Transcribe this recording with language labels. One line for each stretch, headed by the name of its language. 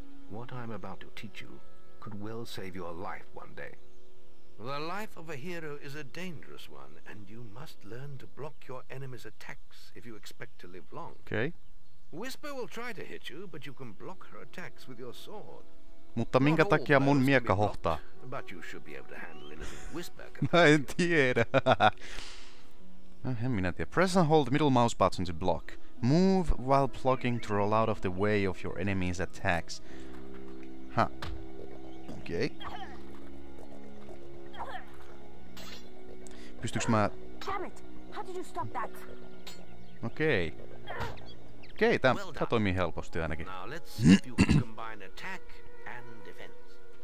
English: What I'm about to teach you could well save your life one day. The life of a hero is a dangerous one, and you must learn to block your enemy's attacks if you expect to live long. Okay. Whisper will try to hit you, but you can block her attacks with your sword.
Finnish: Mutta minkä takia mun miekka hohtaa?
English: But you should be able to handle it. Whisper.
Finnish: Mä en tiedä. En minä tiedä.
English: Press and hold middle mouse button to block. Move while blocking to roll out of the way of your enemy's attacks.
Finnish: Ha. Okei. Okay. Pystyks mä...
English: Damn it! How did you stop that?
Finnish: Okei. Okay. Okei, okay, tää toimii helposti ainakin.
English: Now let's see if you can combine attack and defense.